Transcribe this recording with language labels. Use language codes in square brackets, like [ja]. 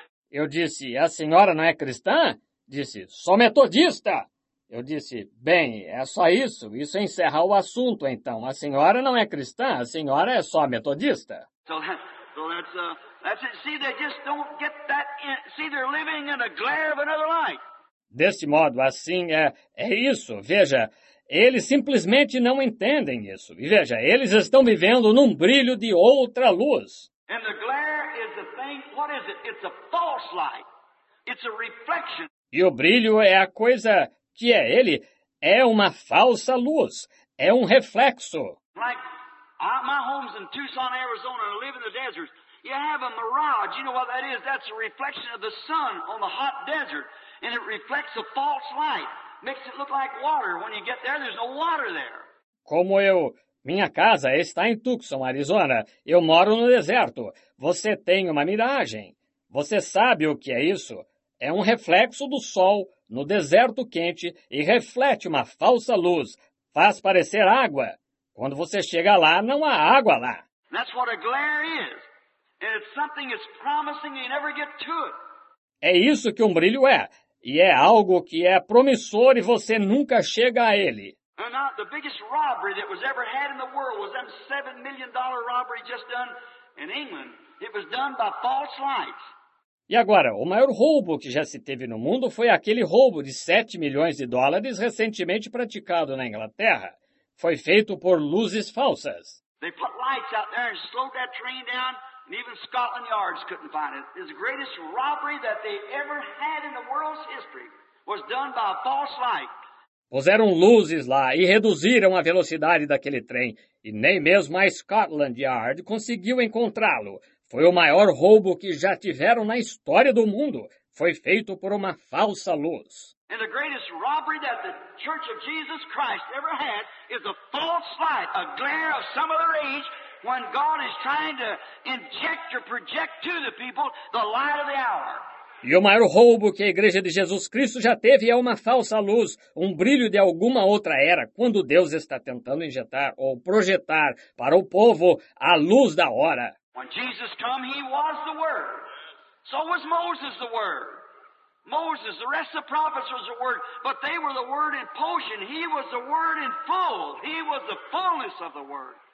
[pt] Eu disse, a senhora não é cristã? Disse, sou metodista. Eu disse, bem, é só isso. Isso encerra o assunto, então. A senhora não é cristã, a senhora é só metodista. [en] So that's it. See, they just don't get that. See, they're living in a glare of another light. [pt] Deste modo, assim é, é isso, veja, eles simplesmente não entendem isso. E veja, eles estão vivendo num brilho de outra luz. [en] And the glare is a thing, what is it? It's a false light. It's a reflection. [pt] E o brilho é a coisa que é ele, é uma falsa luz, é um reflexo. [en] Like, my home's in Tucson, Arizona, and I live in the desert. You have a mirage, you know what that is? That's a reflection of the sun on the hot desert. And it reflects a false light, makes it look like water. When you get there, there's no water there. [pt] Como eu... Minha casa está em Tucson, Arizona. Eu moro no deserto. Você tem uma miragem. Você sabe o que é isso? É um reflexo do sol no deserto quente e reflete uma falsa luz. Faz parecer água. Quando você chega lá, não há água lá. [en] That's what a glare is. And it's something that's promising you never get to it. [pt] É isso que um brilho é. E é algo que é promissor e você nunca chega a ele. [en] And not the biggest robbery that was ever had in the world was that $7 million robbery just done in England. It was done by false lights. [pt] E agora, o maior roubo que já se teve no mundo foi aquele roubo de $7 milhões recentemente praticado na Inglaterra. Foi feito por luzes falsas. [en] They put lights out there and slowed that train down, and even Scotland Yards couldn't find it. It's the greatest robbery that they ever had in the world's history was done by a false light. [pt] Puseram luzes lá e reduziram a velocidade daquele trem, e nem mesmo a Scotland Yard conseguiu encontrá-lo. Foi o maior roubo que já tiveram na história do mundo. Foi feito por uma falsa luz. [en] And the greatest robbery that the Church of Jesus Christ ever had is a false light, a glare of some other age, when God is trying to inject or project to the people the light of the hour. [pt] E o maior roubo que a Igreja de Jesus Cristo já teve é uma falsa luz, um brilho de alguma outra era, quando Deus está tentando injetar ou projetar para o povo a luz da hora. [en] When Jesus came, he was the word. So was Moses the word. Moses, the rest of the prophets was the word, but they were the word in potion. He was the word in full. He was the fullness of the word.